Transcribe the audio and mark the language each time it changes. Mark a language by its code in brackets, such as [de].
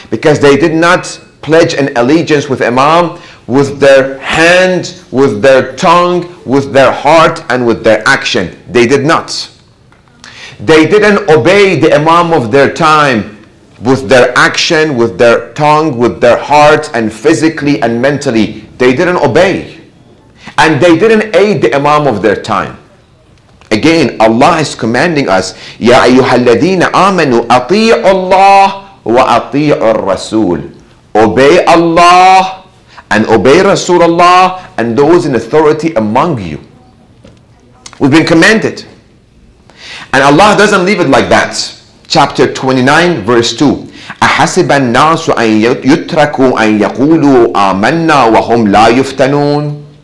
[en] Because they did not pledge an allegiance with Imam with their hand, with their tongue, with their heart, and with their action. They did not. They didn't obey the Imam of their time with their action, with their tongue, with their heart, and physically and mentally. They didn't obey. And they didn't aid the Imam of their time. Again, Allah is commanding us, [ar] يَا أَيُّهَا الَّذِينَ آمَنُوا أَطِيعُوا اللَّهُ وَأَطِيعُوا الرَّسُولُ. [en] Obey Allah and obey Rasulullah and those in authority among you. We've been commanded. And Allah doesn't leave it like that. Chapter 29, verse 2. [ar] أَحَسِبَ النَّاسُ أَن يُتْرَكُوا أَن يَقُولُوا آمَنَّا وَهُمْ لَا يُفْتَنُونَ.